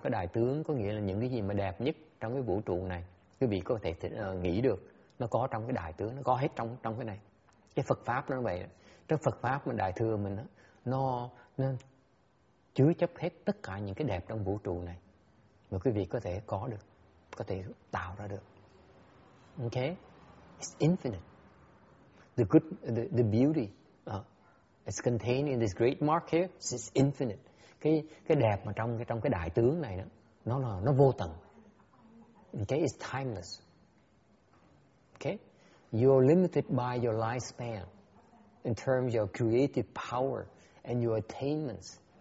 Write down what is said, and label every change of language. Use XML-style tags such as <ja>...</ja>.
<vi>Cái đại tướng có nghĩa là những cái gì mà đẹp nhất trong cái vũ trụ này, quý vị có thể nghĩ được, nó có trong cái đại tướng, nó có hết trong cái này. Cái Phật pháp nó vậy. Trong Phật pháp mình đại thừa mình nó chứa chấp hết tất cả những cái đẹp trong vũ trụ này mà quý vị có thể có được, có thể tạo ra được.</vi> <en>Okay? It's infinite. The beauty is contained in this great mark here. It's infinite.</en> <vi>Cái đẹp mà trong cái đại tướng này đó, nó vô tận.</vi> <en>Okay? It's timeless. Okay? You're limited by your lifespan in terms of your creative power and your attainments.</en>